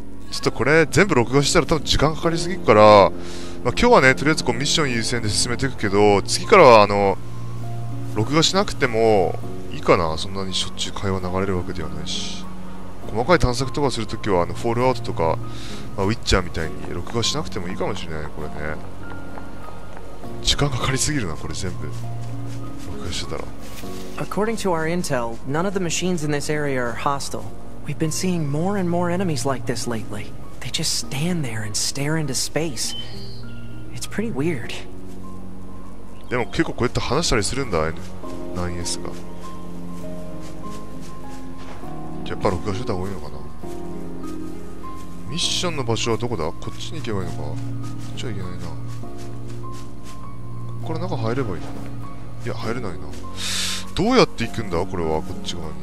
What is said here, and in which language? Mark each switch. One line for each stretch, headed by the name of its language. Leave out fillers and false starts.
Japanese: ちょっとこれ全部録画したら多分時間かかりすぎるから、まあ、今日はねとりあえずこうミッション優先で進めていくけど、次からはあの録画しなくてもいいかな。そんなにしょっちゅう会話流れるわけではないし、細かい探索とかするときはあのフォールアウトとか、まあ、ウィッチャーみたいに録画しなくてもいいかもしれないね。これね時間かかりすぎるな、これ全部録画してたら。
English: According to our intel, none of the machines in this area are hostile. We've been seeing more and more enemies like this lately. They just stand there and stare into space. It's pretty weird.
Japanese: でも結構こうやって話したりするんだ、 9S が。やっぱ録画してた方がいいのかな。ミッションの場所はどこだ？こっちに行けばいいのか。こっちは行けないな。ここから中入ればいいの？いや、入れないな。どうやって行くんだ？これはこっち側に。